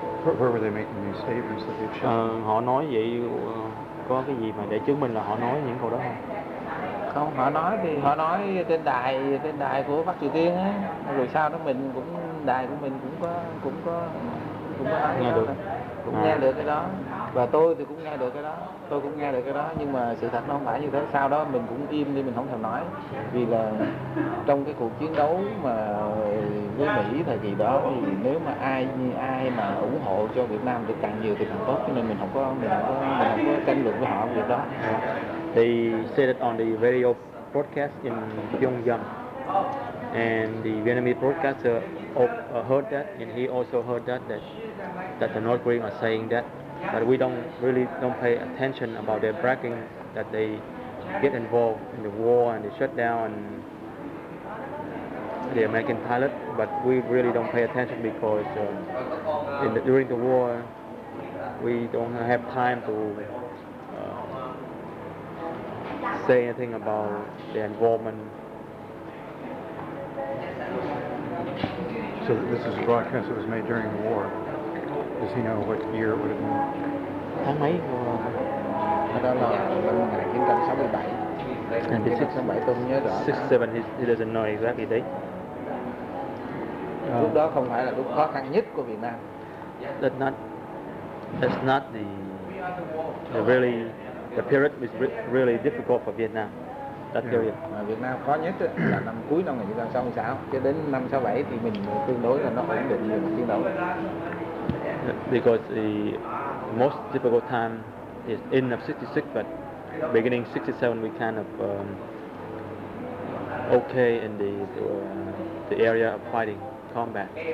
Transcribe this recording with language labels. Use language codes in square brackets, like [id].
[en] Where were they making these statements that they've shown? [vi] Họ nói vậy có cái gì mà để chứng minh là họ nói những câu đó không? Không, họ nói thì họ nói trên đài của Bắc Triều Tiên á. Rồi sau đó mình cũng đài của mình cũng có nghe được. Nghe được cái đó, và tôi thì cũng nghe được cái đó, nhưng mà sự thật nó không phải như thế. Sau đó mình cũng im đi, mình không thèm nói, vì là trong cái cuộc chiến đấu mà với Mỹ thời kỳ đó thì nếu mà ai mà ủng hộ cho Việt Nam được càng nhiều thì càng tốt, cho nên mình không có tranh luận với họ về việc đó. [en] They said it on the radio broadcast in Pyongyang, and the Vietnamese broadcaster heard that, and he also heard that the North Koreans are saying that, but we don't really pay attention about their bragging that they get involved in the war and they shut down and the American pilot, but we really don't pay attention because during the war we don't have time to say anything about their involvement. So this is a broadcast that was made during the war. Does he know what year it would have been? [vi] Tháng mấy? Đó là năm 1967. 1967 tôi nhớ rõ. [en] 67, he doesn't know exactly date. [vi] Lúc đó không phải là lúc khó khăn nhất của Việt Nam. [en] That's not the period is really difficult for Vietnam. That period. [vi] Mà Việt Nam khó nhất là năm cuối năm 1966, chứ đến năm 67 thì mình tương đối là nó ổn định nhiều chiến đấu. [en] Because the most difficult time is end of 66, but beginning 67 we kind of okay in the area of fighting combat.